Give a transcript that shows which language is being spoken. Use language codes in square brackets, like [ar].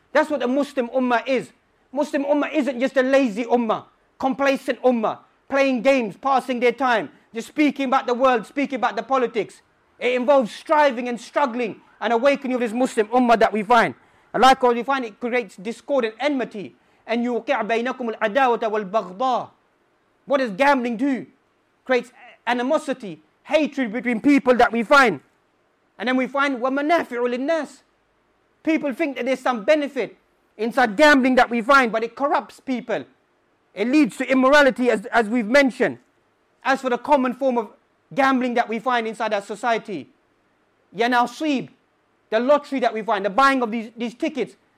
[en] That's what a Muslim ummah is. Muslim ummah isn't just a lazy ummah, complacent ummah, playing games, passing their time, just speaking about the world, speaking about the politics. It involves striving and struggling and awakening of this Muslim ummah that we find. And likewise, we find it creates discord and enmity. [ar] And يُوقِعْ بَيْنَكُمُ الْعَدَاوَةَ وَالْبَغْضَاءَ. [en] What does gambling do? Creates animosity, hatred between people that we find. And then we find [ar] وَمَنَافِعُ لِلنَّاسِ. [en] People think that there's some benefit inside gambling that we find, but it corrupts people. It leads to immorality, as we've mentioned. As for the common form of gambling that we find inside our society, يَنَصِيب, the lottery that we find, the buying of these tickets.